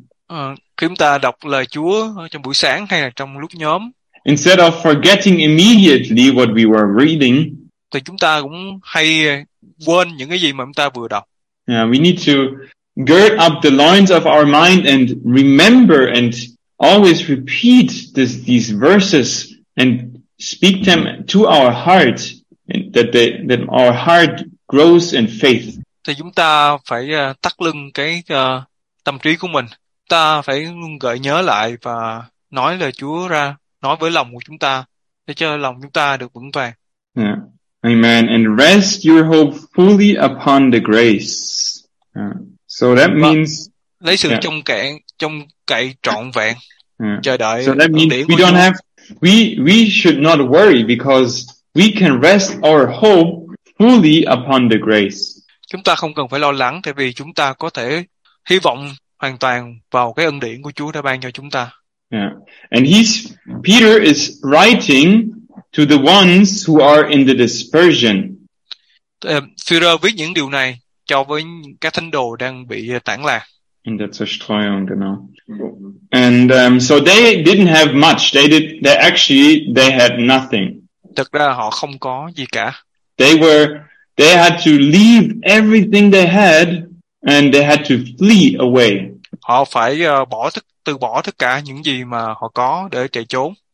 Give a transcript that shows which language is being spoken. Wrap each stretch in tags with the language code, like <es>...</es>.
<vi>khi chúng ta đọc lời Chúa trong buổi sáng hay là trong lúc nhóm,</vi> <en>instead of forgetting immediately what we were reading,</en> <vi>thì chúng ta cũng hay quên những cái gì mà chúng ta vừa đọc.</vi> <en>Yeah, we need to gird up the loins of our mind and remember and always repeat these verses and speak them to our heart, that our heart grows in faith.</en> <vi>Thì chúng ta phải thắt lưng cái tâm trí của mình. Ta phải luôn gợi nhớ lại và nói lời Chúa ra, nói với lòng của chúng ta, để cho lòng chúng ta được vững vàng.</vi> <en>Yeah. Amen. And rest your hope fully upon the grace. So that means...</en> <vi>Lấy sự trông cậy trọn vẹn, chờ đợi.</vi> <en>So that means we should not worry because we can rest our hope fully upon the grace.</en> <vi>Chúng ta không cần phải lo lắng tại vì chúng ta có thể hy vọng hoàn toàn vào cái ân điển của Chúa đã ban cho chúng ta.</vi> <en>Yeah. And Peter is writing to the ones who are in the dispersion.</en> <vi>Peter viết những điều này cho với các thánh đồ đang bị tản lạc.</vi> <de>In der Zerstreuung, genau.</de> <en>And so they didn't have much. They had nothing.</en> <vi>Thực ra họ không có gì cả.</vi> <en>They had to leave everything they had and they had to flee away.</en> <vi>Họ phải từ bỏ tất cả những gì mà họ có để chạy trốn.</vi>